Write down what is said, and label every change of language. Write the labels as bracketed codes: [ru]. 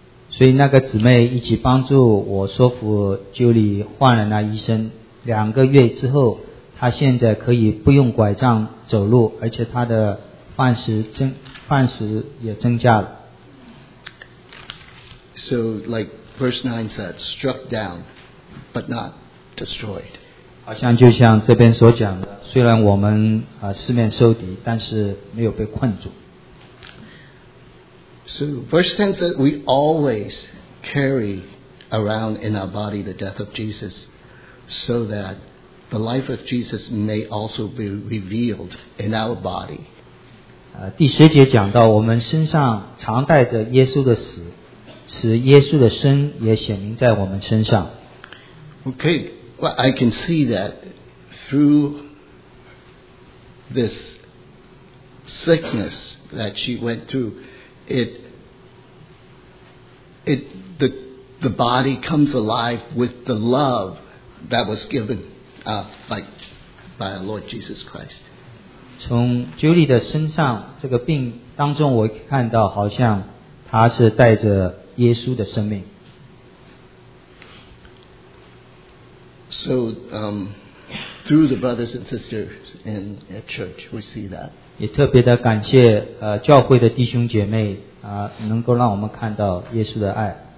[zh] 所以那个姊妹一起帮助我说服 Julie 换了那医生，两个月之后，她现在可以不用拐杖走路，而且她的饭食也增加了。 [en] So, like verse 9 said, struck down, but not destroyed. [zh] 好像就像这边所讲的，虽然我们四面受敌，但是没有被困住。 [en] So verse 10 says we always carry around in our body the death of Jesus so that the life of Jesus may also be revealed in our body. [zh] 第十节讲到我们身上常带着耶稣的死，使耶稣的生也显明在我们身上。 [en] Okay, well, I can see that through this sickness that she went through, the body comes alive with the love that was given by our Lord Jesus Christ. [zh] 从 Julie 的身上这个病当中，我看到好像她是带着耶稣的生命。 [en] So, through the brothers and sisters in a church, we see that. [zh] 也特别的感谢教会的弟兄姐妹。能够让我们看到耶稣的爱。